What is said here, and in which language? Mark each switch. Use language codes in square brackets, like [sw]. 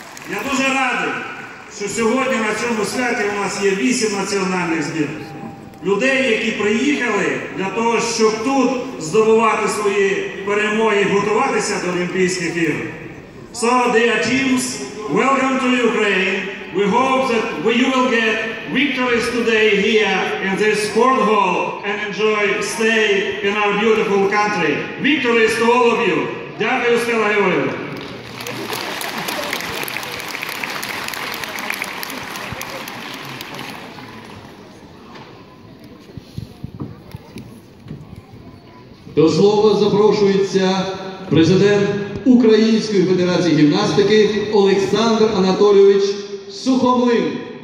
[uk] Я дуже радий, що сьогодні на цьому святі у нас є 8 національних збірних. Людей, які приїхали для того, щоб тут здобувати свої перемоги і готуватися до Олімпійських ігор. [en] So, dear teams, welcome to Ukraine. We hope that you will get victories today here in this sport hall and enjoy stay in our beautiful country. Victories to all of you. [uk] Дякую, Стела Георгіївна. До слова запрошується президент Української федерації гімнастики Олександр Анатолійович Сухомлин.